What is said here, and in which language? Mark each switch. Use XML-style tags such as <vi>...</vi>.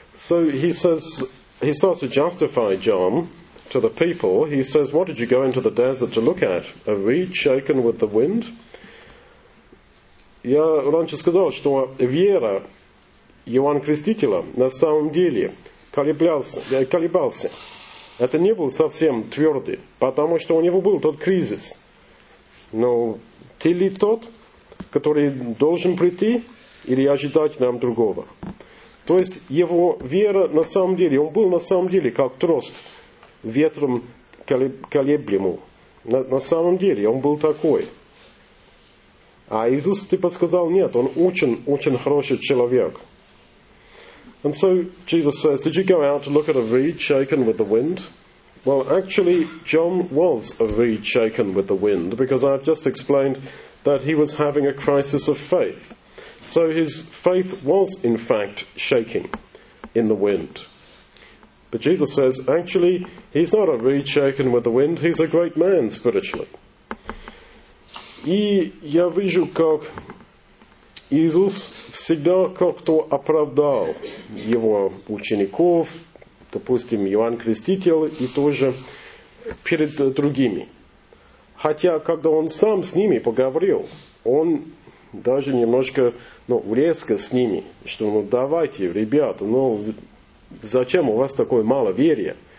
<en>So he says, he starts to justify John to the people. He says, what did you go into the desert to look at? A reed shaken with the wind?</en> <ru>Я раньше сказал, что вера Иоанна Крестителя на самом деле колебался. Это не был совсем твердый, потому что у него был тот кризис. Но ты ли тот, который должен прийти, или ожидать нам другого? То есть его вера на самом деле, он был на самом деле как трост ветром колеблемому. На самом деле он был такой. А Иисус ты подсказал, нет, он очень хороший человек.</ru> <en>And so Jesus says, did you go out to look at a reed shaken with the wind? Well, actually, John was a reed shaken with the wind, because I've just explained that he was having a crisis of faith. So his faith was, in fact, shaking in the wind. But Jesus says, actually, he's not a reed shaken with the wind, he's a great man spiritually.</en> <ru>И я вижу, как Иисус всегда как-то оправдал его учеников, допустим, Иоанн Креститель и тоже перед другими. Хотя, когда он сам с ними поговорил, он даже немножко резко с ними, что давайте, ребята, зачем у вас такое мало верия?</ru>